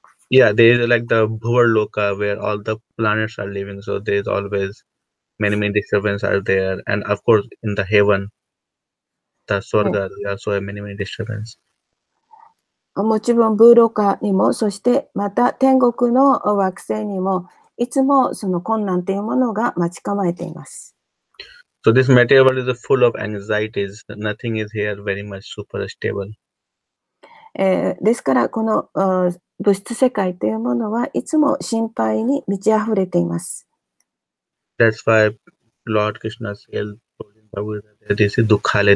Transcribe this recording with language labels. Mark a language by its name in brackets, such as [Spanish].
[English] Yeah, there is like the Bhuvar Loka where all the planets are living, so there is always many, many disturbances are there. And of course, in the heaven, the Swarga, there are also many, many disturbances. [Japanese] もちろんブーロカにもそしてまた天国の惑星にもいつもその困難というものが待ち構えています。 [English] So this material world is full of anxieties. Nothing is here very much super stable. [Japanese] ですからこの物質世界というものはいつも心配に満ち溢れています。 [English] That's why Lord Krishna said, this is Dukhale.